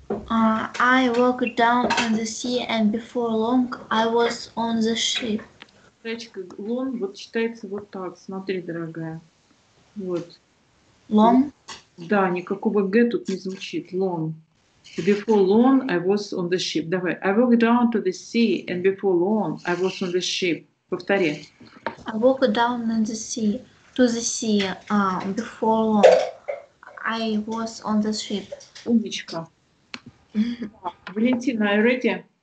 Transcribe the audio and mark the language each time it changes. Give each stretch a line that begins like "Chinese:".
English: I walked down on the sea and before long I was on the ship.
Russian: Речка, long, вот читается вот так, смотри, дорогая. Вот.
English: Long?
Russian: Да, никакого г тут не звучит.
English: Long. Before long I was on the ship.
Russian: Давай.
English: I walked down to the sea and before long I was on the ship.
Russian: Повтори.
English: I walked down on the sea to the sea before long I was on the ship.
Russian: Умничка.
English: Валентина, are you ready?